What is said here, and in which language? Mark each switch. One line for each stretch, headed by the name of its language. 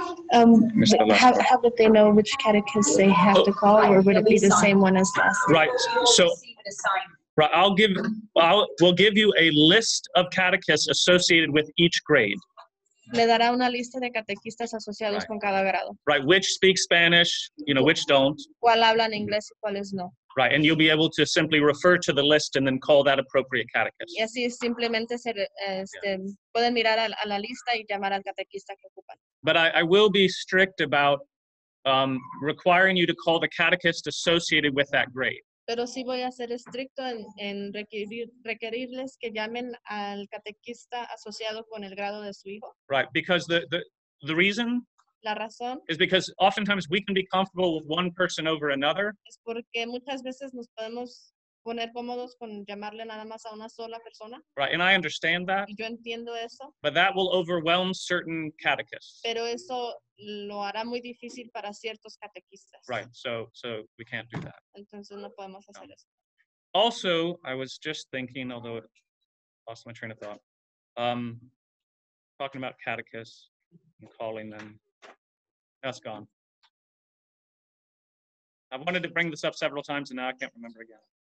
English: How would they know which catechist they have to call, or would it be the same one as last? Right. So, right. We'll give you a list of catechists associated with each grade.
Spanish: Le dará una lista de catequistas asociados con cada grado.
English: Right. Which speak Spanish? Which don't?
Spanish: ¿Cuál hablan inglés y cuáles no?
English: Right, and you'll be able to simply refer to the list and then call that appropriate catechist.
Spanish: Y así simplemente pueden mirar a la lista y llamar al catequista que ocupan.
English: But I will be strict about requiring you to call the catechist associated with that grade.
Spanish: Pero sí voy a ser estricto en requerirles que llamen al catequista asociado con el grado de su hijo.
English: Right, because the reason.
Spanish: La razón
English: is because oftentimes we can be comfortable with one person over another.
Spanish: Es porque muchas veces nos podemos poner cómodos con llamarle nada más a una sola persona.
English: Right, and I understand that.
Spanish: Y yo entiendo eso.
English: But that will overwhelm certain catechists.
Spanish: Pero eso lo hará muy difícil para ciertos catequistas.
English: Right, so we can't do that.
Spanish: Entonces no podemos hacer eso.
English: Also, I was just thinking, although it lost my train of thought, talking about catechists and calling them. That's gone. I wanted to bring this up several times and now I can't remember again.